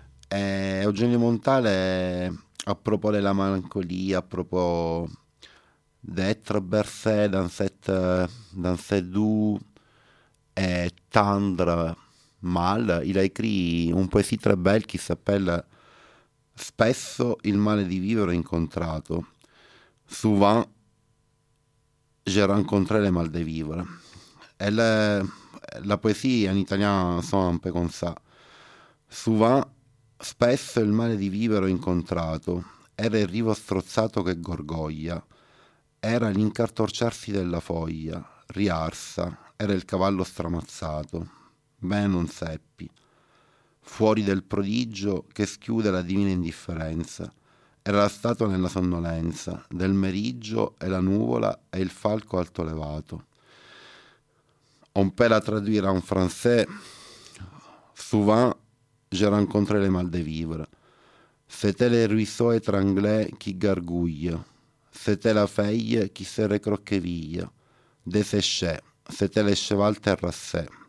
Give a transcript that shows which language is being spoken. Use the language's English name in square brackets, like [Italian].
[French] Et Eugenio Montale, à propos de la mélancolie, à propos d'être bercé dans cette doux et tendre mal, il a écrit une poésie très belle qui s'appelle [Italian] Spesso il male di vivere incontrato, [French] souvent j'ai rencontré le mal de vivre. Elle, la poésie en italien sonne un peu comme ça. Souvent, [Italian] spesso il male di vivere incontrato era il rivo strozzato che gorgoglia, era l'incartorciarsi della foglia, riarsa, era il cavallo stramazzato. Beh, non seppi. Fuori del prodigio che schiude la divina indifferenza, era la statua nella sonnolenza, del meriggio e la nuvola e il falco alto levato. [French] On peut la traduire en français, souvent je rencontré le mal de vivre. C'était le ruisseau étranglé qui gargouille, c'était la feuille qui se recroqueville, desséché, c'était le cheval terrassé.